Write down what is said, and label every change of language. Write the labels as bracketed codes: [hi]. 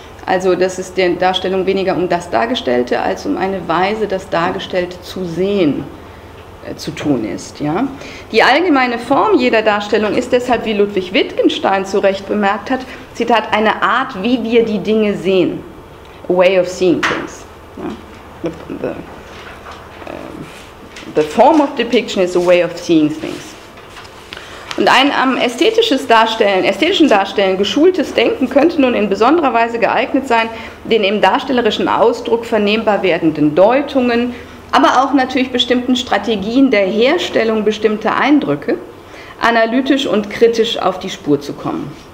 [de] Also das ist der Darstellung weniger um das Dargestellte als um eine Weise, das Dargestellte zu sehen, zu tun ist. Ja? Die allgemeine Form jeder Darstellung ist deshalb, wie Ludwig Wittgenstein zu Recht bemerkt hat, Zitat, eine Art, wie wir die Dinge sehen. [en] A way of seeing things. Ja? The form of depiction is a way of seeing things. [de] Und ein am ästhetischen Darstellen geschultes Denken könnte nun in besonderer Weise geeignet sein, den im darstellerischen Ausdruck vernehmbar werdenden Deutungen, aber auch natürlich bestimmten Strategien der Herstellung bestimmter Eindrücke, analytisch und kritisch auf die Spur zu kommen.